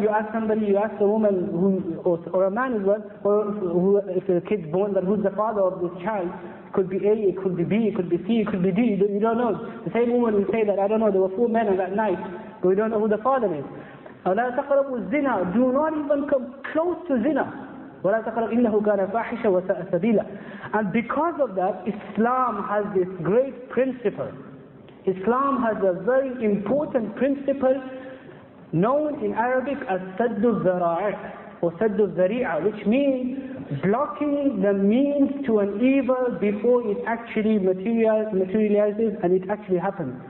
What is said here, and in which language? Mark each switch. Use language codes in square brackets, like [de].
[en] You ask somebody, you ask a woman who, or a man as well, or who, if a kid's born, but who's the father of this child? It could be A, it could be B, it could be C, it could be D. You don't know. The same woman will say that, I don't know, there were four men on that night, but we don't know who the father is. [ar] ولا تقربوا الزنا. [en] Do not even come close to zina. [ar] ولا تقربوا إنه كان فاحشة وساء سبيلا. [en] And because of that, Islam has this great principle. Islam has a very important principle known in Arabic as سَدُّ الزَّرَاعِ or سَدُّ الزَّرِيعَ, which means blocking the means to an evil before it actually materializes and it actually happens.